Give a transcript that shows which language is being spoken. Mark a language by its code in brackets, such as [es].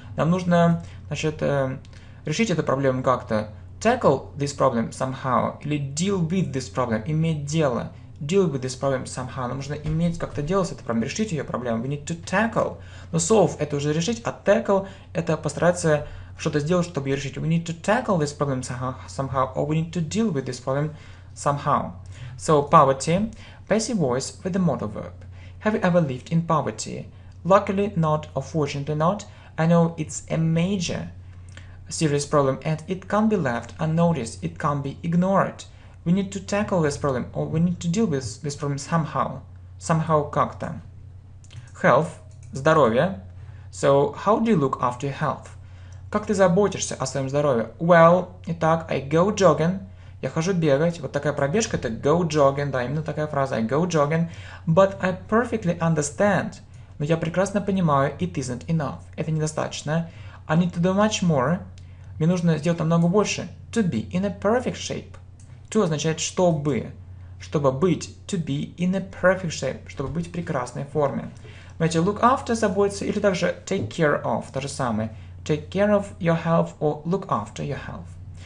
[ru] Нам нужно, значит, решить эту проблему как-то. [en] Tackle this problem somehow. [ru] Или [en] deal with this problem, [ru] иметь дело. [en] Deal with this problem somehow. [ru] Нам нужно иметь как-то дело с этой проблемой, решить ее проблему. [en] We need to tackle. [ru] Но solve – это уже решить, а tackle – это постараться что-то сделать, чтобы ее решить. [en] We need to tackle this problem somehow, or we need to deal with this problem somehow. So, poverty. Passive voice with the modal verb. Have you ever lived in poverty? Luckily not, or fortunately not. I know it's a major serious problem, and it can't be left unnoticed. It can't be ignored. We need to tackle this problem, or we need to deal with this problem somehow. Somehow, [ru] как-то. [en] Health. [ru] Здоровье. [en] So, how do you look after your health? [ru] Как ты заботишься о своем здоровье? [en] Well, [ru] итак, [en] I go jogging. [ru] Я хожу бегать. Вот такая пробежка – это go jogging. Да, именно такая фраза – [en] I go jogging. But I perfectly understand. [ru] Но я прекрасно понимаю, [en] it isn't enough. [ru] Это недостаточно. [en] I need to do much more. [ru] Мне нужно сделать намного больше. [en] To be in a perfect shape. To [ru] означает «чтобы». Чтобы быть. [en] To be in a perfect shape. [ru] Чтобы быть в прекрасной форме. Знаете, [en] look after [ru] – заботиться. Или также [en] take care of [ru] – то же самое. [en] Take care of your health or look after your health.